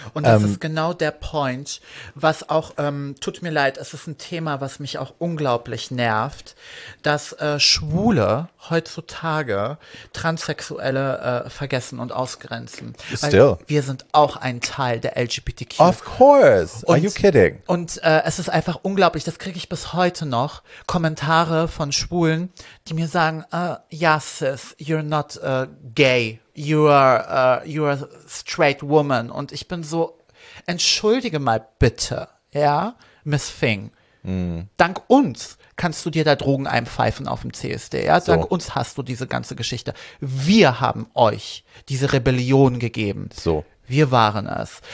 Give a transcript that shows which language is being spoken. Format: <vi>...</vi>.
<de>Und das ist genau der Point, was auch, tut mir leid, es ist ein Thema, was mich auch unglaublich nervt, dass Schwule heutzutage Transsexuelle vergessen und ausgrenzen. Weil</de> <en>Still.</en> <de>wir sind auch ein Teil der LGBTQ.</de> <en>Of course. Are you kidding?</en> <de>Es ist einfach unglaublich, das kriege ich bis heute noch, Kommentare von Schwulen, die mir sagen, ja,</de> <en>sis, you're not gay. You are a straight woman.</en> <de>Und ich bin so, entschuldige mal bitte, ja, Miss Fing. Dank uns kannst du dir da Drogen einpfeifen auf dem CSD, ja. Dank</de> <en>So.</en> <de>uns hast du diese ganze Geschichte. Wir haben euch diese Rebellion gegeben.</de> <en>So.</en> <de>Wir waren es.</de>